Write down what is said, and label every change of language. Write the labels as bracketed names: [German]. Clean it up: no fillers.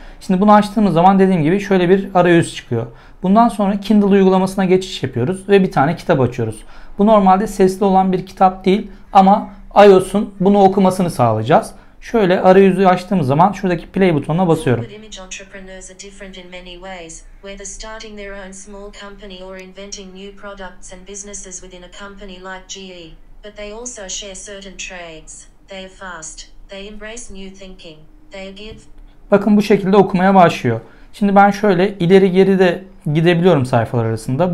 [Turkish] Şimdi bunu açtığımız zaman dediğim gibi şöyle bir arayüz çıkıyor. Bundan sonra Kindle uygulamasına geçiş yapıyoruz ve bir tane kitap açıyoruz. Bu normalde sesli olan bir kitap değil ama iOS'un bunu okumasını sağlayacağız. Şöyle arayüzü açtığımız zaman şuradaki play butonuna basıyorum. [English] Whether starting their own small company or inventing new products and businesses within a company like GE, but they also share certain traits. They are fast. They embrace new thinking. They give. [Turkish] Bakın bu şekilde okumaya başlıyor. Şimdi ben şöyle ileri geri de gidebiliyorum sayfalar arasında.